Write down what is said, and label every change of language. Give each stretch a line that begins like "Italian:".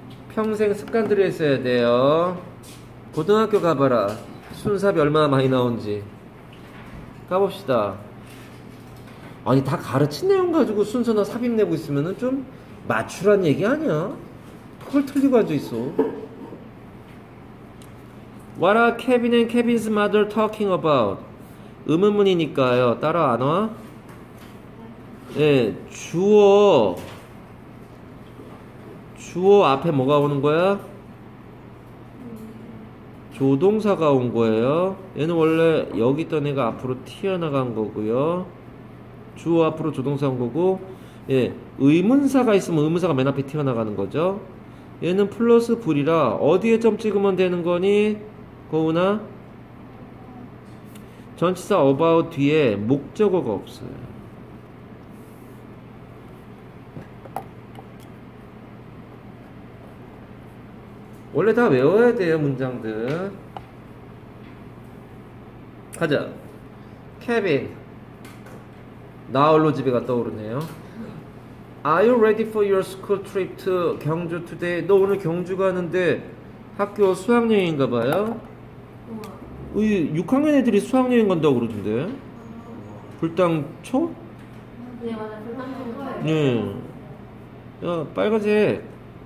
Korean: 평생 습관 들여 있어야 돼요. 고등학교 가봐라. 순삽이 얼마나 많이 나온지. 가봅시다. 아니, 다 가르친 내용 가지고 순서나 삽입 내고 있으면은 좀 맞추란 얘기 아니야? 톡을 틀리고 앉아 있어.
English: What are Kevin and Kevin's mother talking about?
Korean: 의문문이니까요. 따라 안 와? 예, 주어. 주어 앞에 뭐가 오는 거야? 조동사가 온 거예요. 얘는 원래 여기 있던 애가 앞으로 튀어나간 거고요. 주어 앞으로 조동사 온 거고, 예, 의문사가 있으면 의문사가 맨 앞에 튀어나가는 거죠. 얘는 플러스 불이라 어디에 점 찍으면 되는 거니? 고은아? 전치사 about 뒤에 목적어가 없어요. 원래 다 외워야 돼요, 문장들. 가자. 케빈. 나 홀로 집에가 떠오르네요.
English: Are you ready for your school trip to 경주 today?
Korean: 너 오늘 경주 가는데 학교 수학여행인가 봐요? 우와. 우리 6학년 애들이 수학여행 간다고 그러던데. 불당초? 네, 맞아. 불당초. 네. 야, 빨간색.